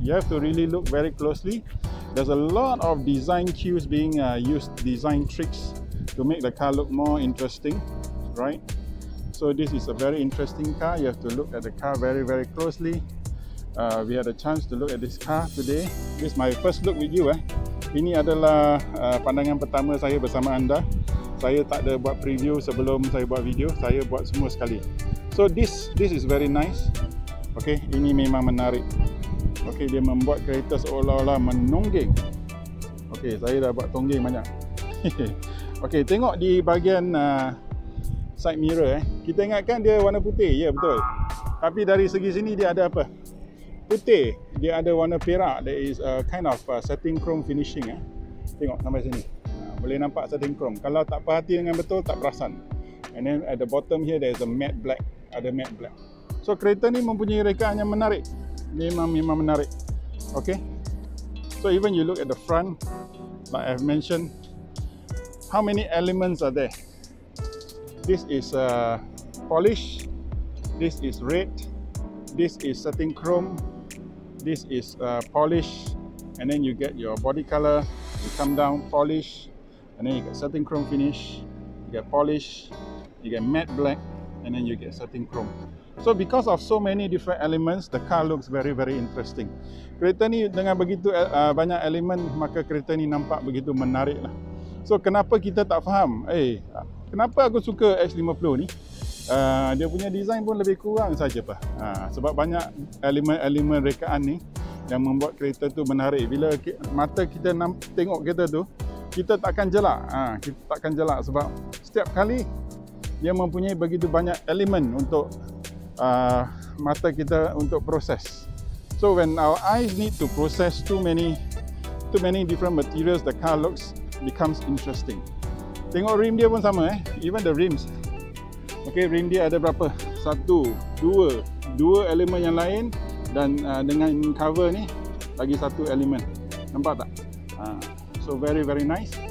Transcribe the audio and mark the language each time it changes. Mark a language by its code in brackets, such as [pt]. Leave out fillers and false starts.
[en] You have to really look very closely. There's a lot of design cues being used, design tricks to make the car look more interesting, right? So this is a very interesting car. You have to look at the car very very closely. We had a chance to look at this car today. This is my first look with you. [ms] Ini adalah pandangan pertama saya bersama anda. Saya tak ada buat preview sebelum saya buat video. Saya buat semua sekali. [en] So this is very nice. Okay, [ms] ini memang menarik. Okay, dia membuat kereta seolah-olah menonggeng. Okay, saya dah buat tonggeng banyak. Okay, tengok di bahagian side mirror. Kita ingatkan dia warna putih. Ya, betul. Tapi dari segi sini dia ada apa? Putih, dia ada warna perak. [en] That is a kind of satin chrome finishing. [ms] Tengok sampai sini. Boleh nampak satin chrome. Kalau tak perhati dengan betul, tak perasan. [en] And then at the bottom here, there is a matte black. [ms] Ada matte black. So kereta ni mempunyai rekaan yang menarik. Memang menarik. Okay. [en] So even you look at the front, like I've mentioned, how many elements are there? This is polish. This is red. This is satin chrome. This is polish. And then you get your body color. You come down, polish. And then you get satin chrome finish. You get polish. You get matte black. And then you get satin chrome. So because of so many different elements, the car looks very very interesting. [ms] Kereta ni dengan begitu banyak elemen, maka kereta ni nampak begitu menarik lah. So kenapa kita tak faham? Kenapa aku suka X50 ni? Dia punya design pun lebih kurang saja pa. Sebab banyak elemen-elemen rekaan ni yang membuat kereta tu menarik. Bila mata kita tengok kereta tu, kita takkan jelak. Kita takkan jelak sebab setiap kali dia mempunyai begitu banyak elemen untuk mata kita untuk proses. [en] So when our eyes need to process too many different materials, the car looks becomes interesting. [ms] Tengok rim dia pun sama, [en] even the rims. [ms] Okay, rim dia ada berapa? Satu, dua elemen yang lain, dan dengan cover ni lagi satu elemen. Nampak tak? [en] So very very nice.